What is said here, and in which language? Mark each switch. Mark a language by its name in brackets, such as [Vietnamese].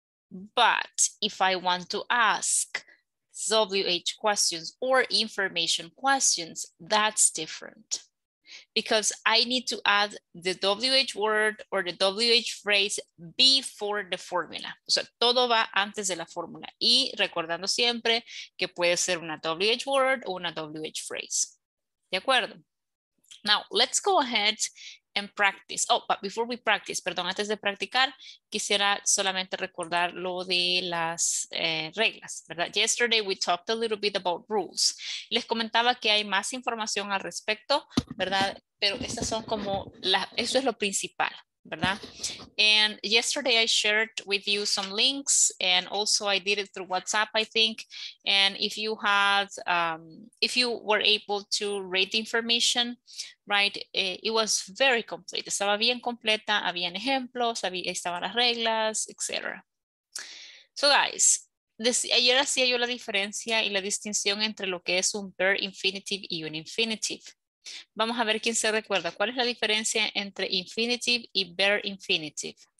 [English] But if I want to ask WH questions or information questions, that's different, because I need to add the WH word or the WH phrase before the formula. [Spanish] O sea, todo va antes de la fórmula. Y recordando siempre que puede ser una WH word o una WH phrase. ¿De acuerdo? [English] Now, let's go ahead and practice. Oh, but before we practice, [Spanish] perdón, antes de practicar, quisiera solamente recordar lo de las reglas, ¿verdad? [English] Yesterday we talked a little bit about rules. [Spanish] Les comentaba que hay más información al respecto, ¿verdad? Pero estas son como, eso es lo principal, ¿verdad? [English] And yesterday I shared with you some links, and also I did it through WhatsApp, I think. And if you had, if you were able to read the information, right, it was very complete. [Spanish] Estaba bien completa, habían ejemplos, estaban las reglas, etc. So guys, ayer hacía yo la diferencia y la distinción entre lo que es un verb infinitive y un infinitive. Vamos a ver quién se recuerda. ¿Cuál es la diferencia entre infinitive y verb infinitive?